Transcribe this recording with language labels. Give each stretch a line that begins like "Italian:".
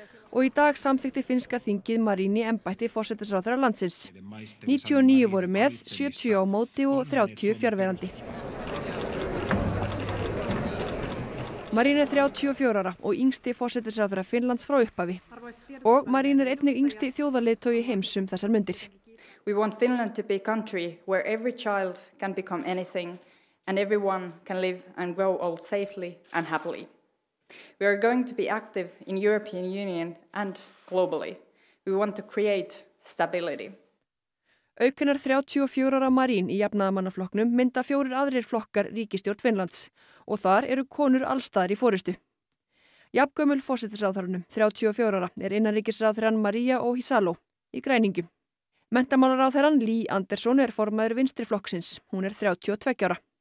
Icelandic: Og í dag samþykkti finnska þingið Marín í embætti forsætisráðherra landsins. 99 voru með, 70 á móti og 30 fjarverandi. Marín 34 ára og yngsti forsætisráðherra Finnlands frá upphafi. Og Marín einnig yngsti þjóðarleiðtogi heims þessar mundir.
English: We want Finland to be a country where every child can become anything and everyone can live and grow old safely and happily. We are going to be active in European Union and globally. We want to create stability.
Icelandic: Aukunar 34 ára Marín í jafnaðamannaflokknum mynda fjórir aðrir flokkar ríkisstjórn Finnlands. Og þar eru konur allstaðar í forystu. Jafngömul forsætisráðherranum, 34 ára, innanríkisráðherrann Maria Ohisalo í græningum. Menntamálaráðherrann Lee Anderson formaður vinstriflokksins, hún 32 ára.